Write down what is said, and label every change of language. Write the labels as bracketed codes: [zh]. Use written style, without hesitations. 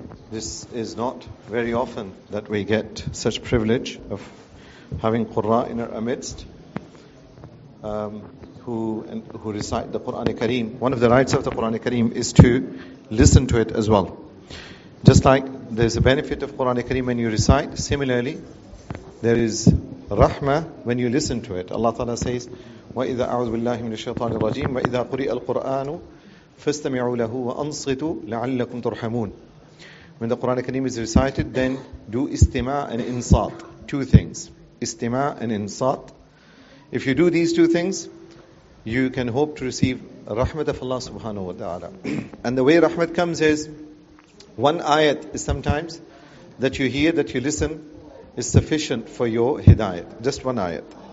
[en] This is not very often that we get such privilege of having Qurra in our midst who recite the Qur'an Kareem. One of the rights of the Qur'an Kareem is to listen to it as well. Just like there's a benefit of Qur'an Kareem when you recite, similarly, there is rahmah when you listen to it. Allah Ta'ala says, [ar] وَإِذَا أَعُوذُ بِاللَّهِ مِنَ الشَّيْطَانِ الرَّجِيمِ وَإِذَا قُرِئَ الْقُرْآنُ فَاسْتَمِعُوا لَهُ وَأَنصِتُوا لَعَلَّكُمْ تُرْحَمُونَ. [en] When the Qur'an Kareem is recited, then do istima' and insat, two things. Istima' and insat. If you do these two things, you can hope to receive rahmat of Allah subhanahu wa ta'ala. And the way rahmat comes is, one ayat is sometimes that you hear, that you listen, is sufficient for your hidayat. Just one ayat.